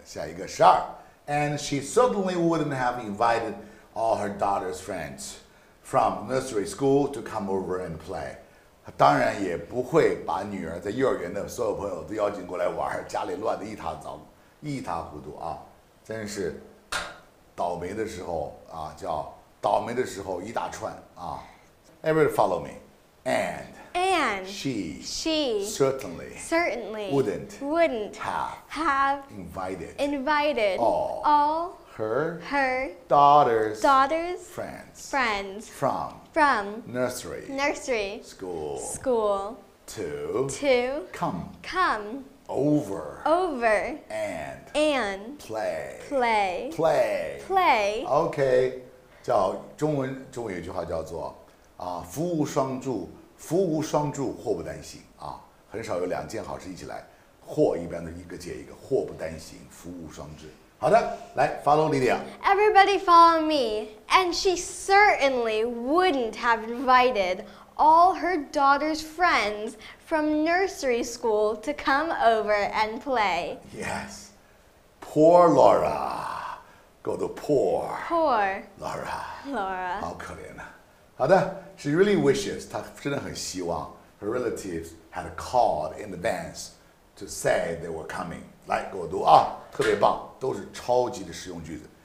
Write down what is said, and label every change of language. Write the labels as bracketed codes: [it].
[zh] 下一个十二 [en] And she certainly wouldn't have invitedall her daughter's friends from nursery school to come over and play. [zh] 她当然也不会把女儿在幼儿园的所有朋友都邀请过来玩，家里乱得一塌糊涂啊，真是倒霉的时候啊，叫倒霉的时候一大串啊。 [en] Everybody follow me. And she certainly wouldn't have invited all her daughter's friends from nursery school to come over and play. [zh] OK, 叫中文有句话叫做啊，福无双助，祸不单行啊，很少有两件好事一起来，祸一般的一个接一个，祸不单行，福无双至。好的，来 follow Lydia. [en] Everybody follow me. And she certainly wouldn't have invited all her daughter's friends from nursery school to come over and play. Yes. Poor Laura. Go to poor. Poor. Laura. Laura. [zh] 好可怜啊。好的 [en] she really wishes, [zh] 她真的很希望 [en] her relatives had called in advance to say they were coming. [zh] 来给我读啊，特别棒，都是超级的实用句子。